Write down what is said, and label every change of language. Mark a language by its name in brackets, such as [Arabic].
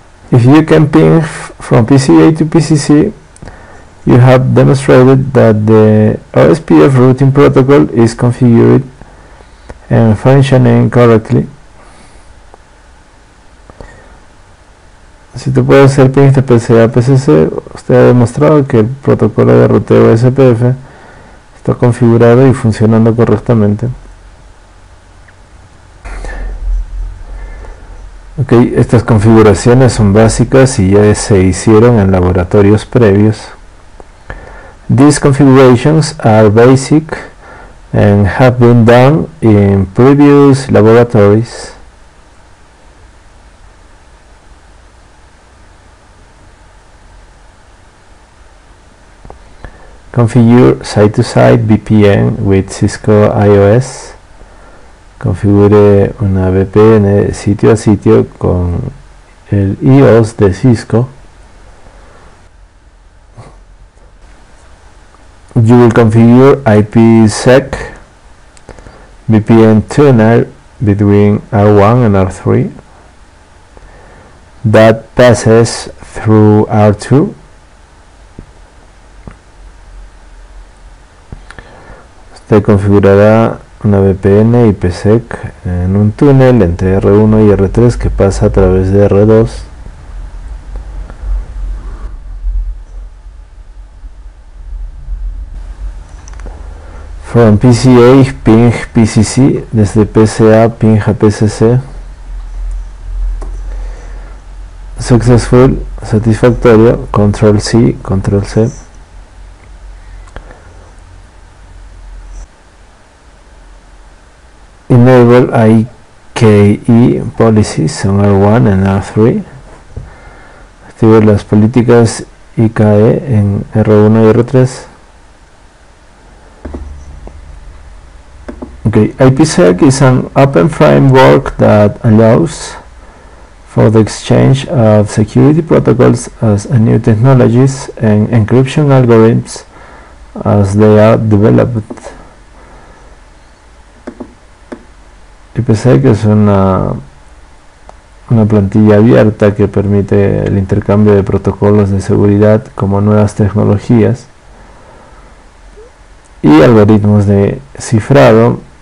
[English] If you can ping from PC A to PCC, you have demonstrated that the OSPF routing protocol is configured and functioning correctly. [Spanish] Si tú puedes hacer ping de PC a PCC, usted ha demostrado que el protocolo de ruteo SPF está configurado y funcionando correctamente. Ok, estas configuraciones son básicas y ya se hicieron en laboratorios previos. [English] These configurations are basic and have been done in previous laboratories. Configure site-to-site VPN with Cisco IOS. [Spanish] Configure una VPN sitio a sitio con el IOS de Cisco. You will configure IPsec VPN tunnel between R1 and R3 that passes through R2. Usted configurará una VPN IPsec en un túnel entre R1 y R3 que pasa a través de R2. [English] From PCA ping PCC, [Spanish] desde PCA ping a PCC. [English] Successful, [Spanish] satisfactorio. [English] Control C, control C. Enable IKE policies on R1 and R3. [Spanish] Activar las políticas IKE en R1 y R3. [English] Okay. IPsec is an open framework that allows for the exchange of security protocols as a new technologies and encryption algorithms as they are developed. [Spanish] IPsec es una plantilla abierta que permite el intercambio de protocolos de seguridad como nuevas tecnologías y algoritmos de cifrado.